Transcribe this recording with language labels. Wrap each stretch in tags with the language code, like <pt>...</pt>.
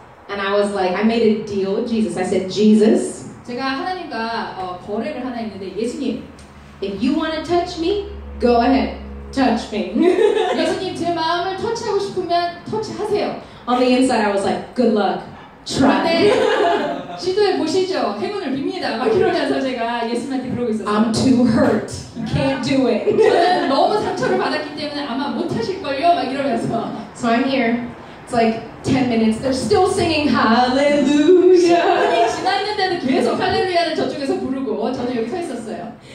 <en>And I was like, I made a deal with Jesus. I said, Jesus.</en> <ko>제가 하나님과 거래를 하나 했는데, 예수님,</ko> <en>if you want to touch me, go ahead, touch me.</en> <ko>예수님, 제 마음을 터치하고 싶으면 터치하세요.</ko> <en>On the inside, I was like, good luck, try.</en> <ko>시도해 보시죠. 행운을 빕니다. 막 이러면서 제가 예수님한테 그러고 있었어요.</ko> <en>I'm too hurt. You can't do it.</en> <ko>저는 너무 상처를 받았기 때문에 아마 못 하실걸요. 막 이러면서.</ko> <en>So I'm here. It's like 10 minutes. They're still singing hallelujah.</en> <ko>아니, 지났는데도 계속 할렐루야를 저쪽에서 부르고 저는 여기 서 있었어요.</ko>